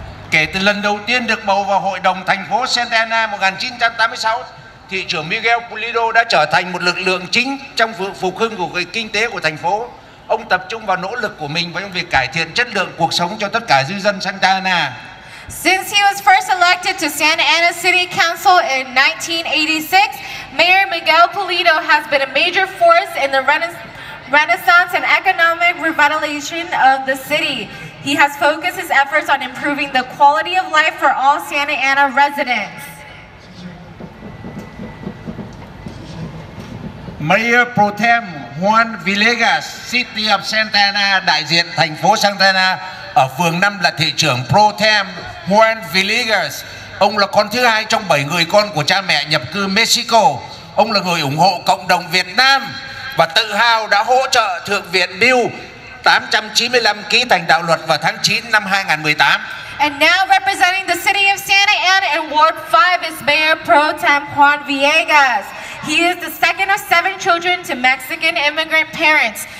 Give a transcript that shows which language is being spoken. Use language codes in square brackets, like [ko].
[vi] Kể từ lần đầu tiên được bầu vào Hội đồng thành phố Santa Ana 1986, Thị trưởng Miguel Pulido đã trở thành một lực lượng chính trong phục hưng của cái kinh tế của thành phố. Ông tập trung vào nỗ lực của mình với việc cải thiện chất lượng cuộc sống cho tất cả dư dân Santa Ana. [en] Since he was first elected to Santa Ana City Council in 1986, Mayor Miguel Pulido has been a major force in the renaissance and economic revitalization of the city. He has focused his efforts on improving the quality of life for all Santa Ana residents. [vi] Mayor Pro Tem Juan Villegas, City of Santa Ana, đại diện thành phố Santa Ana, ở phường 5 là thị trưởng Pro Tem Juan Villegas. Ông là con thứ hai trong 7 người con của cha mẹ nhập cư Mexico. Ông là người ủng hộ cộng đồng Việt Nam và tự hào đã hỗ trợ Thượng viện Bill 895 ký thành đạo luật vào tháng 9 năm 2018. [en] And now representing the city of Santa Ana in Ward 5 is Mayor Pro Tem Juan Villegas. He is the second of 7 children to Mexican immigrant parents.